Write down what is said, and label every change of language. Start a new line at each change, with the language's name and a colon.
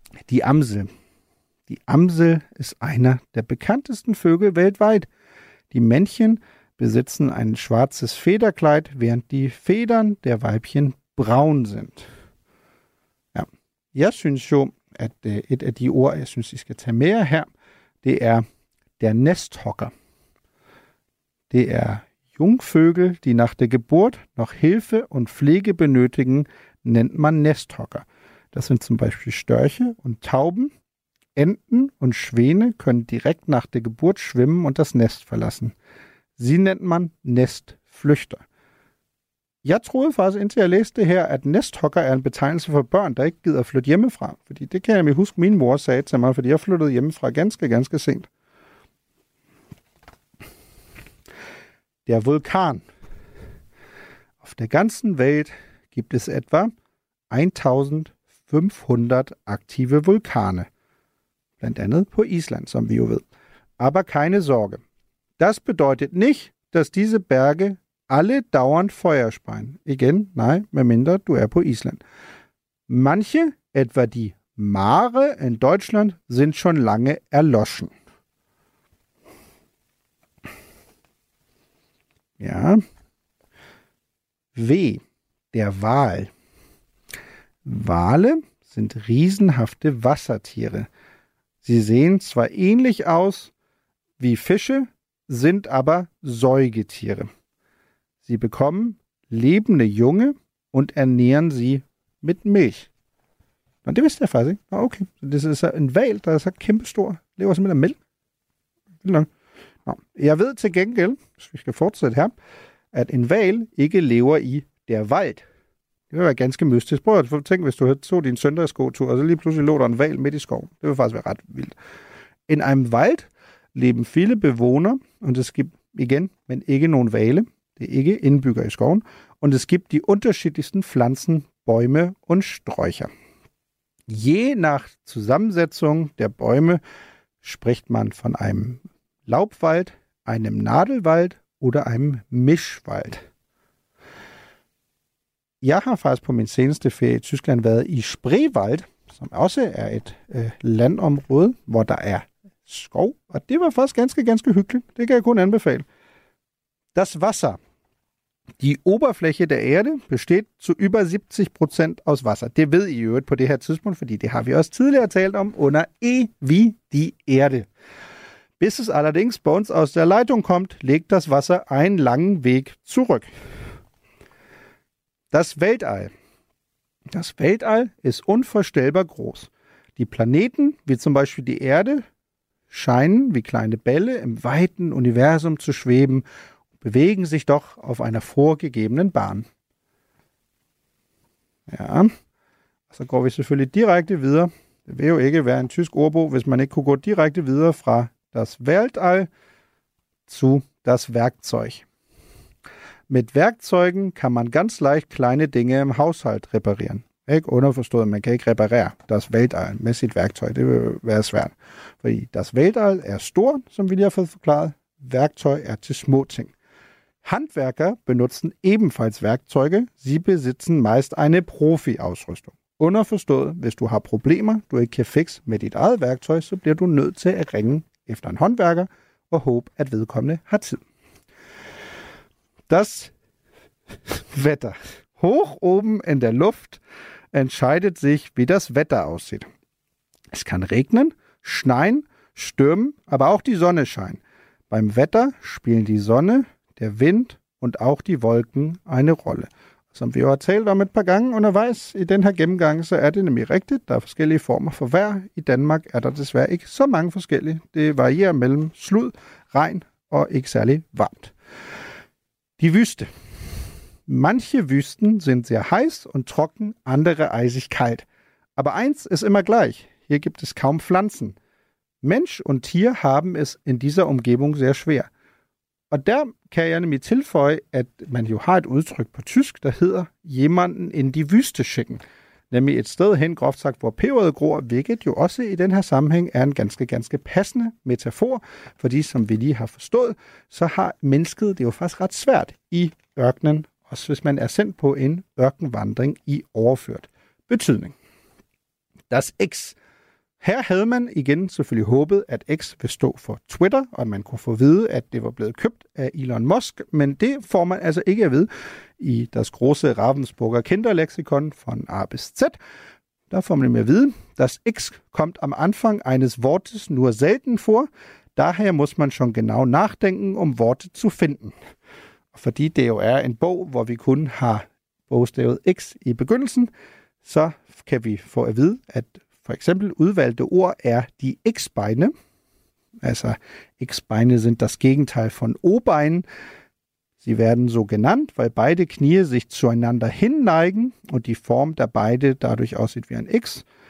German: Die Amsel. Die Amsel ist einer der bekanntesten Vögel weltweit. Die Männchen besitzen ein schwarzes Federkleid, während die Federn der Weibchen braun sind.
Danish: Ja, jeg synes jo, at et af de ord, jeg synes, I skal tage mere her, det er der Nesthocker. Det er
German: Jungvögel, die nach der Geburt noch Hilfe und Pflege benötigen, nennt man Nesthocker. Das sind zum Beispiel Störche und Tauben. Enten und Schwäne können direkt nach der Geburt schwimmen und das Nest verlassen. Sie nennt man Nestflüchter.
Danish: Jeg troede faktisk, indtil jeg læste det her, at nesthocker er en betegnelse for børn, der ikke gider flytte hjemmefra. Fordi det kan jeg nemlig huske, min mor sagde til mig, fordi jeg flyttede hjemmefra ganske, ganske sent.
German: Der Vulkan. Auf der ganzen Welt gibt es etwa 1500 aktive Vulkane.
Danish: Blandt andet på Island, som vi jo ved.
German: Aber keine Sorge. Das bedeutet nicht, dass diese Berge alle dauernd Feuer speien.
Danish: Igen, nej, medmindre du er på Island.
German: Manche, etwa die Mare in Deutschland, sind schon lange erloschen. Ja. W. Der Wal. Wale sind riesenhafte Wassertiere. Sie sehen zwar ähnlich aus wie Fische, sind aber Säugetiere. Sie bekommen lebende Junge und ernähren sie mit Milch.
Danish: Und det vidste jeg faktisk. Ah, okay. Det er så en val, der er så kæmpestor. Lever simpelthen af mælk. Vildt langt. Jeg ved til gengæld, hvis vi skal fortsætte her, at en val ikke lever i der Wald. Det vil være ganske mystisk. Prøv at tænke, hvis du tog din søndagsgåtur, og så lige pludselig lå der en val midt i skoven. Det vil faktisk være ret vildt.
German: In einem Wald leben viele Bewohner, und es gibt,
Danish: igen, men ikke nogen vale, det er ikke indbygger i skoven,
German: und es gibt die unterschiedlichsten Pflanzen, Bäume und Sträucher. Je nach Zusammensetzung der Bäume spricht man von einem Laubwald, einem Nadelwald Oder einem Mischwald.
Danish: Jeg har faktisk på min seneste ferie i Tyskland været i Spreewald, som også er et landområde, hvor der er skov. Og det var faktisk ganske, ganske hyggeligt. Det kan jeg kun anbefale.
German: Das Wasser. Die Oberfläche der Erde besteht zu über 70% aus Wasser.
Danish: Det ved I jo på det her tidspunkt, fordi det har vi også tidligere talt om under
German: E wie die Erde. Bis es allerdings bei uns aus der Leitung kommt, legt das Wasser einen langen Weg zurück. Das Weltall. Das Weltall ist unvorstellbar groß. Die Planeten, wie zum Beispiel die Erde, scheinen wie kleine Bälle im weiten Universum zu schweben und bewegen sich doch auf einer vorgegebenen Bahn.
Danish: Ja, så går vi selvfølgelig direkte videre. Det vil jo ikke være en tysk ordbog, hvis man ikke kunne gå direkte videre fra
German: das Weltall zu das Werkzeug.
Danish: Mit Werkzeugen kann man ganz leicht kleine Dinge im Haushalt reparieren. Ikke underforstået, man kan ikke reparere das Weltall med sit værktøj. Det vil være svært. Fordi das Weltall er stor, som vi lige har fået forklaret. Værktøj er til små ting.
German: Handwerker benutzen ebenfalls Werkzeuge. Sie besitzen meist eine Profi-Ausrüstung.
Danish: Underforstået, hvis du har problemer, du ikke kan fixe med dit eget værktøj, så bliver du nødt til at ringe efter en håndværker og håbe, at vedkommende har tid.
German: Das Wetter. Hoch oben in der Luft entscheidet sich, wie das Wetter aussieht. Es kann regnen, schneien, stürmen, aber auch die Sonne scheinen. Beim Wetter spielen die Sonne, der Wind und auch die Wolken eine Rolle. Das haben wir auch erzählt, damit begangen und er weiß, in den Gemgang so er den direkte, da verschiedene Formen von Wetter.
Danish: In Dänemark er der desværre ikke so mange forskellige. Det varierer mellem slud, regn og ikke særlig varmt.
German: Die Wüste. Manche Wüsten sind sehr heiß und trocken, andere eisig kalt. Aber eins ist immer gleich. Hier gibt es kaum Pflanzen. Mensch und Tier haben es in dieser Umgebung sehr schwer. Und da kann ich nämlich
Danish: tilføje, at man jo har et udtryk på tysk, der hedder
German: jemanden in die Wüste schicken.
Danish: Nämlich et sted hen, groft sagt, hvor peberet gror, hvilket jo også i den her sammenhæng er en ganske, ganske passende metafor, fordi som vi lige har forstået, så har mennesket det jo faktisk ret svært i ørkenen, også hvis man er sendt på en ørkenvandring i overført betydning.
German: Das X.
Danish: Her havde man igen selvfølgelig håbet, at X vil stå for Twitter, og man kunne få vide, at det var blevet købt af Elon Musk, men det får man altså ikke at vide i
German: das große Ravensburger Kinderlexikon von A bis Z.
Danish: Der får man mere at vide,
German: das X kommt am Anfang eines Wortes nur selten vor, daher muss man schon genau nachdenken, um Worte zu finden.
Danish: Fordi det jo er en bog, hvor vi kun har bogstavet X i begyndelsen, så kan vi få at vide, at for eksempel udvalgte ord er de X-beine. Altså,
German: X-beine sind das Gegenteil von O-beinen. Sie werden so genannt, weil beide Knie sich zueinander hinneigen und die Form der beide dadurch aussieht wie ein X.